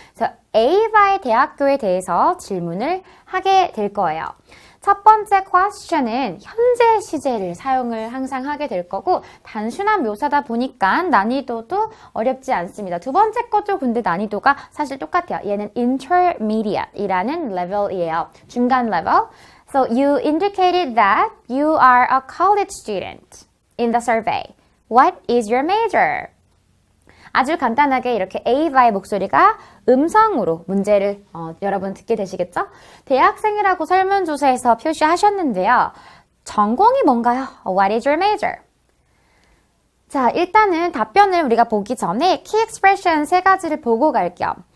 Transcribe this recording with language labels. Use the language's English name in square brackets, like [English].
[Korean] 그래서 에이바의 대학교에 대해서 질문을 하게 될 거예요. 첫 번째 question은 현재 시제를 사용을 항상 하게 될 거고 단순한 묘사다 보니까 난이도도 어렵지 않습니다. 두 번째 것도 근데 난이도가 사실 똑같아요. 얘는 intermediate이라는 레벨이에요. 중간 레벨. [English] So you indicated that you are a college student in the survey. What is your major? [Korean] 아주 간단하게 이렇게 에이바의 목소리가 음성으로 문제를 여러분 듣게 되시겠죠? 대학생이라고 설문조사에서 표시하셨는데요. 전공이 뭔가요? [English] What is your major? [Korean] 자, 일단은 답변을 우리가 보기 전에 key expression 세 가지를 보고 갈 겸.